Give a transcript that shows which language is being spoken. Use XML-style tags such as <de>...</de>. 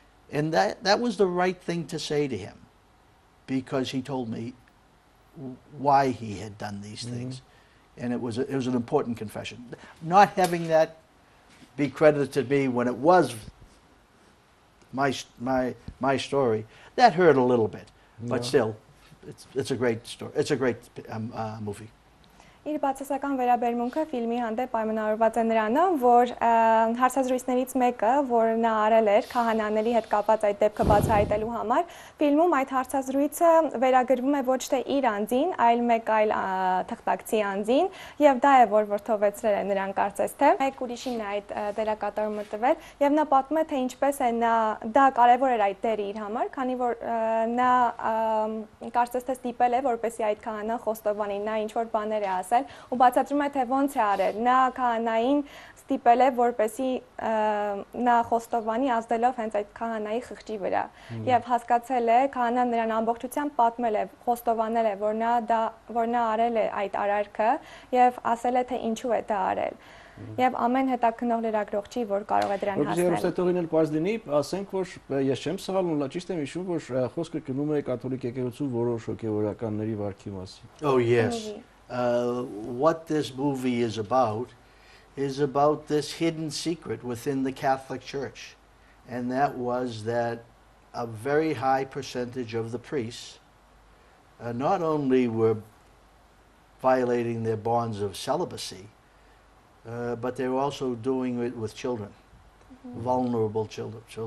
<en>And that was the right thing to say to him, because he told me why he had done these things. Mm-hmm. And it was an important confession. Not having that be credited to me when it was my story, that hurt a little bit. Yeah. But still, it's a great story. It's a great movie.</en> <hy>Իր բացասական վերաբերմունքը ֆիլմի հանդեպ պայմանավորված է նրանով, որ հարցազրույցներից մեկը, որ նա արել էր քահանաների հետ կապված այդ դեպքը բացահայտելու համար, ֆիլմում այդ հարցազրույցը վերագրվում է ոչ թե իր անձին, այլ մեկ այլ թղթակցի անձին, եւ դա է, որ վրդովեցրել է նրան, կարծես թե մեկ ուրիշին այդ դերակատարումը տվել, եւ նա պատմում է, թե ինչպես է նա դա կարևոր էր այդ դերը իր համար, քանի որ նա կարծես թե ստիպել է, որպեսզի այդ քահանա խոստովանի, նա ինչ որ բաներ է ասել ու բացատրում է, թե ոնց է արել։ Նա քահանային ստիպել է, որպեսի նա խոստովանի, ազդելով հենց այդ քահանայի խղճի վրա, եւ հասկացել է, քահանան նրան ամբողջությամբ պատմել է, խոստովանել է, որ նա արել է այդ արարքը, եւ ասել է, թե ինչու է դա արել, եւ ամեն հետաքնող լրագրող չի, որ կարող է դրան հասնել։ Երուսաղեմին էլ պարզ լինի, ասենք, որ ես չեմ սխալվում, լա ճիշտ եմ հիշում, որ խոսքը գնում է կաթոլիկ եկեղեցու որոշ հոգեորականների վարքի մասին։</hy> <en>Oh yes. What this movie is about this hidden secret within the Catholic Church. And that was that a very high percentage of the priests not only were violating their bonds of celibacy, but they were also doing it with children, mm-hmm. vulnerable children.</en>